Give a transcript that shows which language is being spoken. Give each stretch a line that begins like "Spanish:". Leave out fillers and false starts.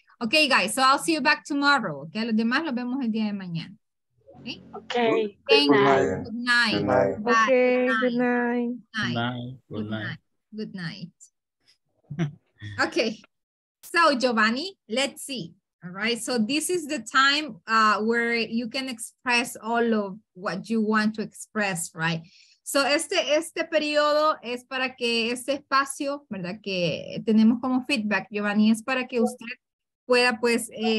English: Ok, guys, so I'll see you back tomorrow.
Spanish: Ok, los demás los vemos el día de mañana. Ok. Okay.
English: Thank good, night. Good night. Good night. Bye. Okay, good night. Good night. Good night. Good night. Ok. So, Giovanni, let's see. All right, so this is the time where you can express all of what you want to express, right?
Spanish: So este periodo es para que este espacio, ¿verdad? Que tenemos como feedback, Giovanni, es para que usted pueda pues...